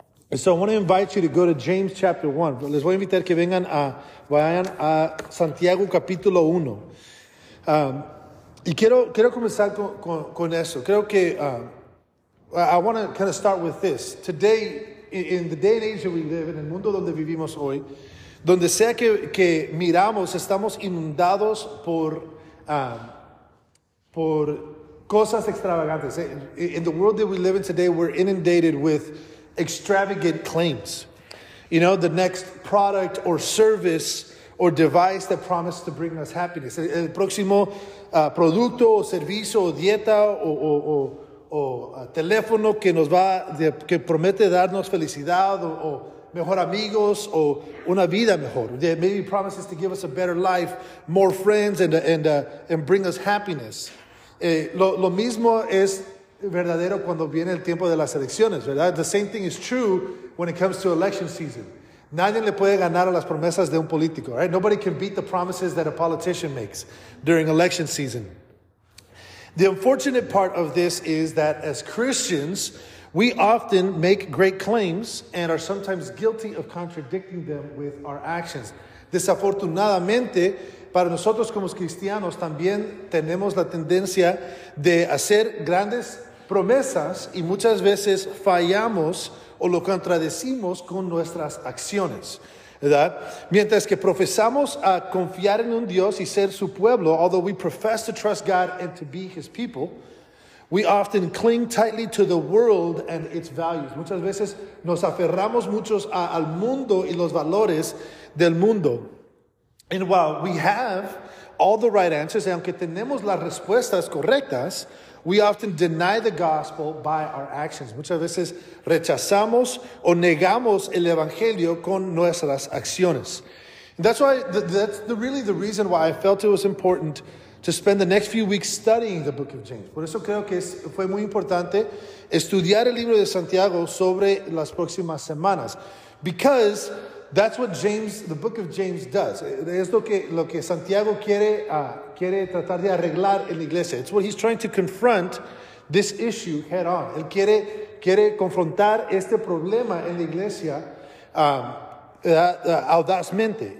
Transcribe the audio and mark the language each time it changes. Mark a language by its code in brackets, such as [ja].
[en] And so I want to invite you to go to James chapter 1. [es] Les voy a invitar que vayan a Santiago capítulo 1. Y quiero comenzar con eso. Creo que [en] I want to kind of start with this. Today, in the day and age that we live, [es] en el mundo donde vivimos hoy, donde sea que miramos, estamos inundados por cosas extravagantes. [en] In the world that we live in today, we're inundated with extravagant claims. You know, the next product or service or device that promised to bring us happiness. [es] El próximo producto o servicio o dieta o teléfono que nos va, que promete darnos felicidad o mejor amigos o una vida mejor. [en] That maybe promises to give us a better life, more friends, and bring us happiness. [es] Lo mismo es verdadero cuando viene el tiempo de las elecciones, ¿verdad? [en] The same thing is true when it comes to election season. [es] Nadie le puede ganar a las promesas de un político, [en] right? Nobody can beat the promises that a politician makes during election season. The unfortunate part of this is that as Christians, we often make great claims and are sometimes guilty of contradicting them with our actions. [es] Desafortunadamente, para nosotros como cristianos, también tenemos la tendencia de hacer grandes promesas y muchas veces fallamos o lo contradecimos con nuestras acciones, ¿verdad? Mientras que profesamos a confiar en un Dios y ser su pueblo, [en] although we profess to trust God and to be his people, we often cling tightly to the world and its values. [es] Muchas veces nos aferramos muchos al mundo y los valores del mundo. [en] And while we have all the right answers, [es] y aunque tenemos las respuestas correctas, [en] we often deny the gospel by our actions. [es] Muchas veces rechazamos o negamos el evangelio con nuestras acciones. [en] That's really the reason why I felt it was important to spend the next few weeks studying the book of James. [es] Por eso creo que fue muy importante estudiar el libro de Santiago sobre las próximas semanas. [en] Because that's what James, the book of James does. [es] Es lo que Santiago quiere tratar de arreglar en la iglesia. [en] It's what he's trying to confront this issue head on. [es] Él quiere confrontar este problema en la iglesia audazmente.